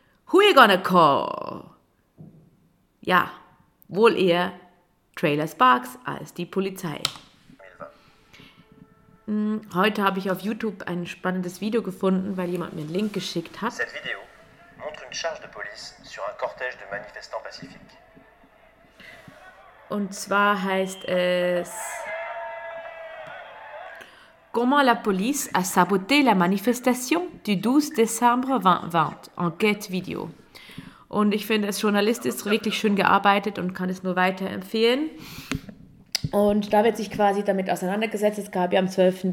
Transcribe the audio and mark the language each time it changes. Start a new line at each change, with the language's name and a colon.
English: Who you gonna call?
German: Ja, wohl eher Trailer Sparks als die Polizei. Heute habe ich auf YouTube ein spannendes Video gefunden, weil jemand mir einen Link geschickt hat.
French: Cette vidéo montre une charge de police sur un cortège de manifestants pacifiques.
German: Und zwar heißt es:
French: Comment la police a saboté la manifestation du 12 décembre 2020? Enquête vidéo.
German: Und ich finde, als Journalist ist wirklich schön gearbeitet und kann es nur weiterempfehlen. Und da wird sich quasi damit auseinandergesetzt. Es gab ja am 12.